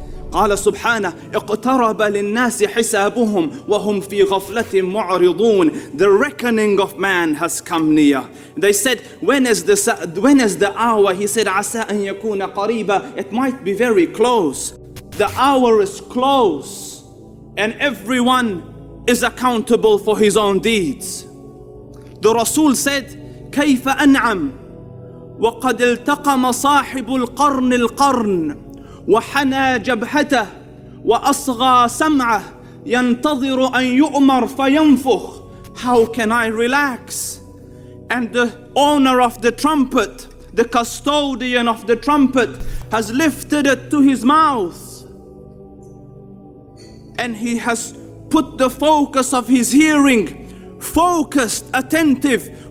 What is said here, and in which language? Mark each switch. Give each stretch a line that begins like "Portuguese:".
Arabic: قال سبحانه اقترب للناس حسابهم وهم في غفلة معرضون.
English: The reckoning of man has come near. They said, when is the hour? He said,
Arabic: عسى أن يكون قريبا.
English: It might be very close. The hour is close, and everyone is accountable for his own deeds. The Rasul said,
Arabic: كيف أنعم وقد التقم صاحب القرن القرن وحنى جبهته وأصغى سمعه ينتظر أن يؤمر فينفخ.
English: How can I relax? And the owner of the trumpet, the custodian of the trumpet, has lifted it to his mouth, and he has put the focus of his hearing, focused, attentive.